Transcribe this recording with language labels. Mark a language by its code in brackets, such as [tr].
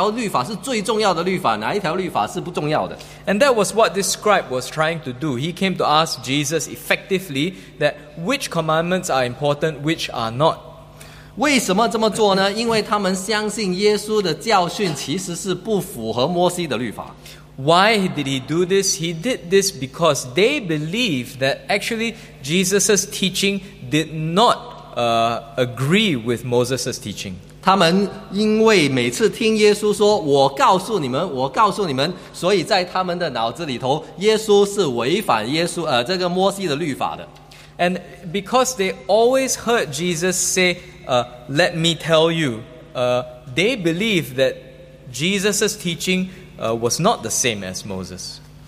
[zh] 在这里他们来这个文士来就是为了要与耶稣争辩这个圣经论，就是摩西的律法，哪一条律法是最重要的律法，哪一条律法是不重要的。 [en] And that was what this scribe was trying to do. He came to ask Jesus effectively that which commandments are important, which are not. [zh] 为什么这么做呢? 因为他们相信耶稣的教训其实是不符合摩西的律法。 [en] Why did he do this? He did this because they believe that actually Jesus' teaching did not agree with Moses' teaching. [zh] 他们因为每次听耶稣说，我告诉你们，所以在他们的脑子里头，耶稣是违反摩西的律法的。 [en] And because they always heard Jesus say, let me tell you, they believe that Jesus' teaching was not the same as Moses.